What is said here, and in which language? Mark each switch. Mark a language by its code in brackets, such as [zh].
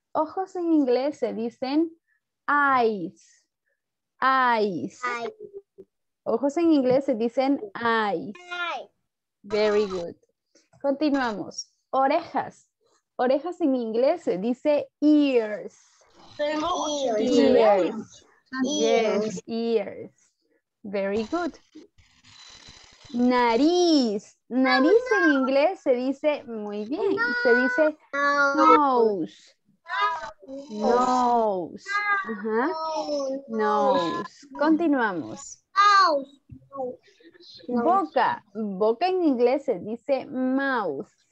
[es] Ojos en inglés se dicen eyes, eyes. Ojos en inglés se dicen eyes. [en] Very good. [es] Continuamos. Orejas. Orejas en inglés se dice ears. [en] Ears. Yes, ears. Very good. Nariz. [es] Nariz en inglés se dice, muy bien, se dice nose. [en] Nose. Ajá. Nose. [es] Continuamos. Boca. Boca en inglés se dice mouth.